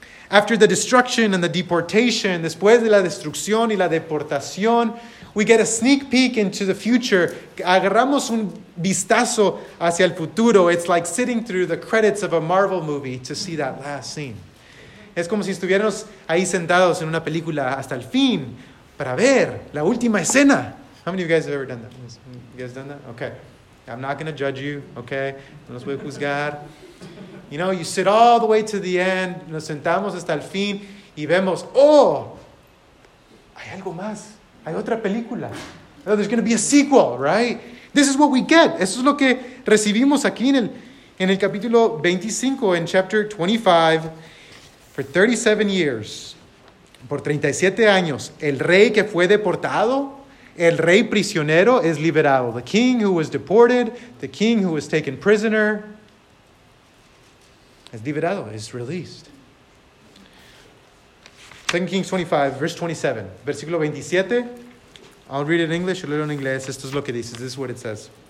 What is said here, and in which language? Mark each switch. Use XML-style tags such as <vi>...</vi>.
<en>After the destruction and the deportation,</en> <es>después de la destrucción y la deportación,</es> <en>we get a sneak peek into the future.</en> <es>Agarramos un vistazo hacia el futuro.</es> <en>It's like sitting through the credits of a Marvel movie to see that last scene.</en> <es>Es como si estuviéramos ahí sentados en una película hasta el fin para ver la última escena.</es> <en>How many of you guys have ever done that? You guys done that? Okay. I'm not going to judge you, okay?</en> <es>No los voy a juzgar.</es> <en>You know, you sit all the way to the end.</en> <es>Nos sentamos hasta el fin y vemos, oh, hay algo más. Hay otra película.</es> <en>Oh, there's going to be a sequel, right? This is what we get.</en> <es>Eso es lo que recibimos aquí en el capítulo 25, en</es> <en>chapter 25. For 37 years,</en> <es>por 37 años, el rey que fue deportado, el rey prisionero es liberado.</es> <en>The king who was deported, the king who was taken prisoner,</en> <es>es liberado, es</es> <en>released. 2 Kings 25, verse 27.</en> <es>Versículo 27.</es> <en>I'll read it in English. I'll read it in inglés.</en> <es>Esto es lo que dice.</es> <en>This is what it says.</en>